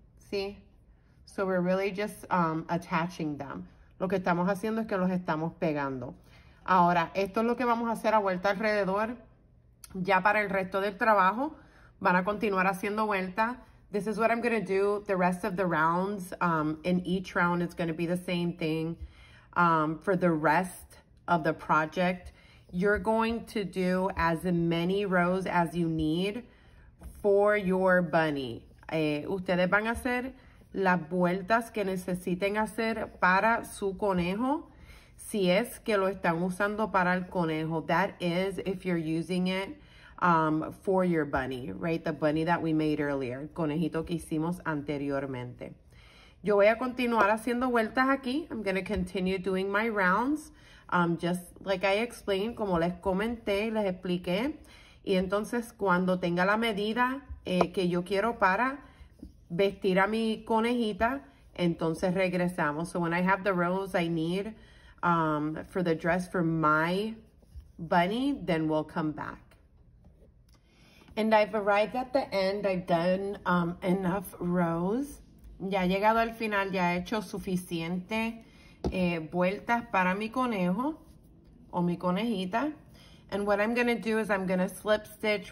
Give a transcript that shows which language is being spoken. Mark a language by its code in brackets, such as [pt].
[en] See? So we're really just attaching them. [es] Lo que estamos haciendo es que los estamos pegando. Ahora, esto es lo que vamos a hacer a vuelta alrededor ya para el resto del trabajo. Van a continuar haciendo vuelta. [en] This is what I'm going to do the rest of the rounds. In each round, it's going to be the same thing. For the rest of the project, you're going to do as many rows as you need for your bunny. [es] Ustedes van a hacer las vueltas que necesiten hacer para su conejo, si es que lo están usando para el conejo. [en] That is if you're using it for your bunny, right? The bunny that we made earlier, [es] el conejito que hicimos anteriormente. Yo voy a continuar haciendo vueltas aquí. [en] I'm going to continue doing my rounds, just like I explained, [es] como les comenté, les expliqué. Y entonces, cuando tenga la medida que yo quiero para vestir a mi conejita, entonces regresamos. [en] So when I have the rows I need for the dress for my bunny, then we'll come back. And I've arrived at the end. I've done enough rows. [es] Ya he llegado al final. Ya he hecho suficiente vueltas para mi conejo o mi conejita. [en] And what I'm going to do is I'm going to slip stitch.